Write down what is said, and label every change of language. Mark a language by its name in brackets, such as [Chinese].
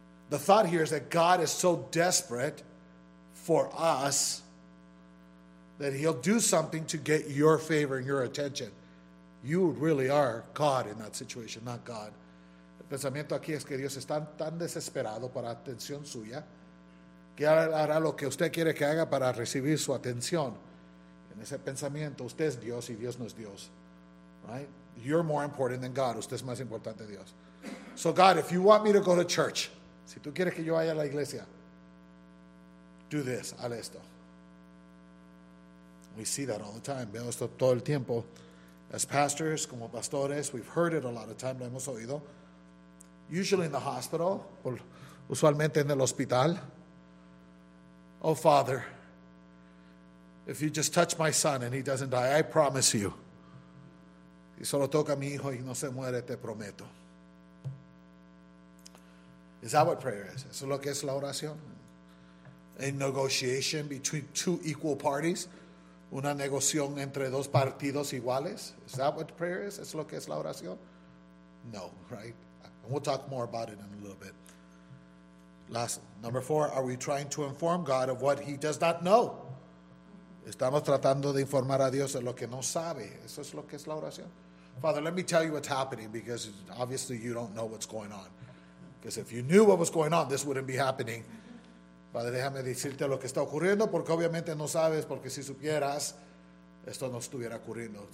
[English] The thought here is that God is so desperate for us that he'll do something to get your favor and your attention. You really are God in that situation, not God. [Spanish] El pensamiento aquí es que Dios está tan desesperado para atención suya que hará lo que usted quiere que haga para recibir su atención. En ese pensamiento, usted es Dios y Dios no es Dios. [English] Right? You're more important than God. [Spanish] Usted es más importante que Dios. [English] So God, if you want me to go to church, [Spanish] si tú quieres que yo vaya a la iglesia, [English] do this, [Spanish] haz esto. [English] We see that all the time. [Spanish] Veo esto todo el tiempo. [English] As pastors, [Spanish] como pastores, [English] we've heard it a lot of time. [Spanish] Lo hemos oído. [English] Usually in the hospital, [Spanish] usualmente en el hospital. [English] Oh, Father, if you just touch my son and he doesn't die, I promise you. [Spanish] Si solo toca a mi hijo y no se muere, te prometo. [English] Is that what prayer is? [Spanish] ¿Eso es lo que es la oración? [English] A negotiation between two equal parties. [Spanish] Una negociación entre dos partidos iguales. [English] Is that what prayer is? [Spanish] ¿Es lo que es la oración? No, right? [English] And we'll talk more about it in a little bit. Last, number four, are we trying to inform God of what he does not know? [Spanish] Estamos tratando de informar a Dios de lo que no sabe. ¿Eso es lo que es la oración? [English] Father, let me tell you what's happening because obviously you don't know what's going on. Because if you knew what was going on, this wouldn't be happening. [Spanish] Padre, déjame decirte lo que está ocurriendo porque obviamente no sabes, porque si supieras, esto no estuviera ocurriendo.